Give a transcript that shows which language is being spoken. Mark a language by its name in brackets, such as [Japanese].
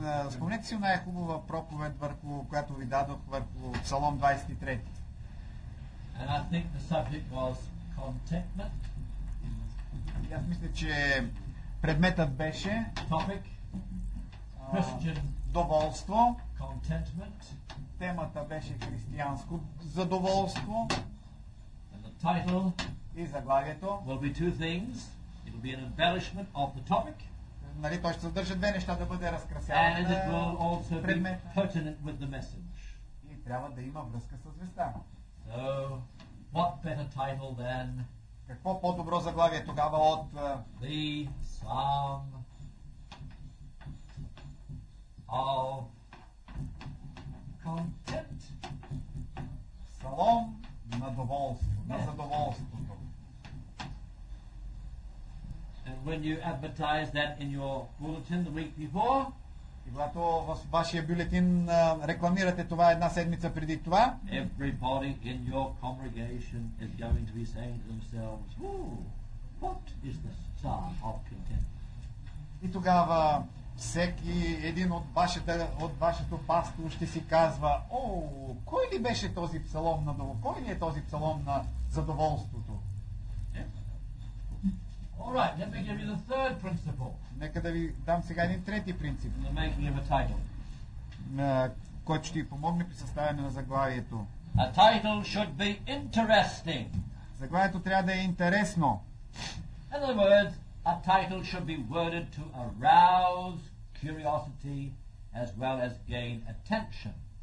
[Bulgarian] Спомнете си една хубава проповед, която ви дадох върху Псалом 23. [English] And I think the subject was contentment. [Bulgarian] Аз мисля, че предметът беше [English] topic Christian [Bulgarian] доволство. [English] Contentment. [Bulgarian] Темата беше християнско задоволство. [English] And the title [Bulgarian] и заглавието [English] will be two things. It will be an embellishment of the topic. [Bulgarian] Нали, той ще съдържа две неща, да бъде разкрасяване. [English] And it will also be pertinent with the message. [Bulgarian] И трябва да има връзка с веста. [English] So, what better title than [Bulgarian] какво по-добро заглавие тогава от [English] the Psalm of Content. [Bulgarian] Псалом на доволство, на задоволство. [English] And when you advertise that in your bulletin the week before, [Bulgarian] и когато в вашия бюлетин рекламирате това една седмица преди това, [English] everybody in your congregation is going to be saying to themselves, ooh, what is the Psalm of Content? [Bulgarian] И тогава всеки един от вашето пасто ще си казва, о, кой ли беше този псалом на долу? Кой ли е този псалом на задоволството? [English] All right, let me give you the third principle. [Bulgarian] Нека да ви дам сега един трети принцип. [English] The making of a title. [Bulgarian] Който ще ви помогне при съставяне на заглавието. [English] A title should be interesting. [Bulgarian] Заглавието трябва да е интересно. [English] In other words, a title should be worded to arouse curiosity as well as gain attention.